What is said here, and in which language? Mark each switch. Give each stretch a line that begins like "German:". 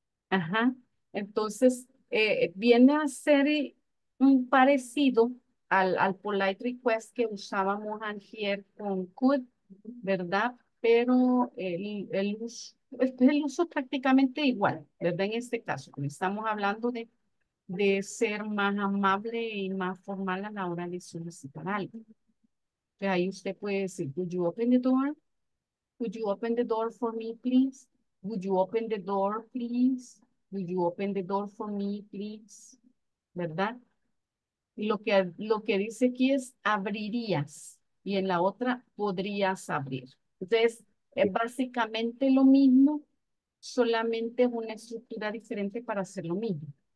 Spanish: Ajá. Entonces, viene a ser un parecido al polite request que usábamos antier con could, ¿verdad? Pero el uso prácticamente igual, ¿verdad? En este caso, estamos hablando de ser más amable y más formal a la hora de solicitar algo. Entonces ahí usted puede decir,
English: would you open the door? Would you open the door for me, please? Would you open the door, please? Would you open the door for me, please?
Spanish: ¿Verdad? Y lo que dice aquí es abrirías y en la otra podrías abrir. Entonces, es básicamente lo mismo, solamente es una estructura diferente para hacer lo mismo.